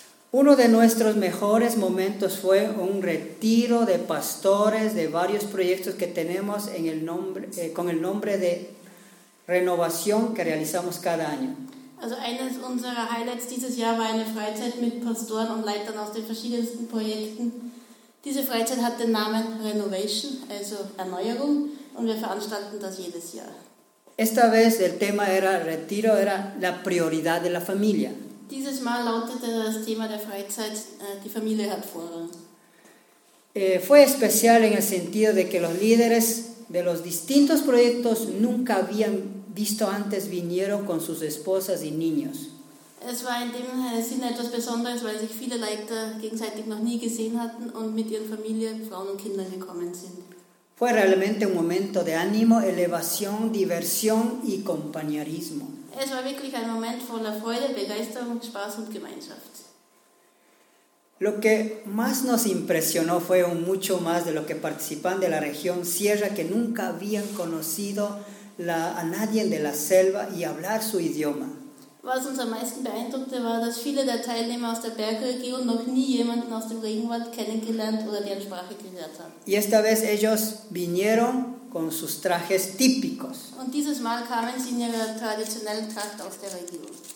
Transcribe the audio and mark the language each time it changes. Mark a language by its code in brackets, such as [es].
[es] Uno de nuestros mejores momentos fue un retiro de pastores de varios proyectos que tenemos en el nombre, con el nombre de renovación que realizamos cada año. [de] Also eines unserer Highlights dieses Jahr war eine Freizeit mit Pastoren und Leitern aus den verschiedensten Projekten. Diese Freizeit hat den Namen Renovation, also Erneuerung, und wir veranstalten das jedes Jahr. [es] Esta vez el tema era retiro, era la prioridad de la familia. [de] Dieses Mal lautete das Thema der Freizeit, die Familie hat Vorrang. [es] Fue especial en el sentido de que los líderes de los distintos proyectos nunca habían visto antes, vinieron con sus esposas y niños. [de] Es war in dem Sinne etwas Besonderes, weil sich viele Leiter gegenseitig noch nie gesehen hatten und mit ihren Familien, Frauen und Kindern gekommen sind. [es] Fue realmente un momento de ánimo, elevación, diversión y compañerismo. [de] Es war wirklich ein Moment voller Freude, Begeisterung, Spaß und Gemeinschaft. [es] Lo que más nos impresionó fue un mucho más de lo que participan de la región Sierra que nunca habían conocido a nadie de la selva y hablar su idioma. [de] Was uns am meisten beeindruckte, war, dass viele der Teilnehmer aus der Bergregion noch nie jemanden aus dem Regenwald kennengelernt oder deren Sprache gehört haben. [es] Y esta vez ellos vinieron con sus trajes típicos. [de] Und dieses Mal kamen sie in ihrer traditionellen Tracht aus der Region.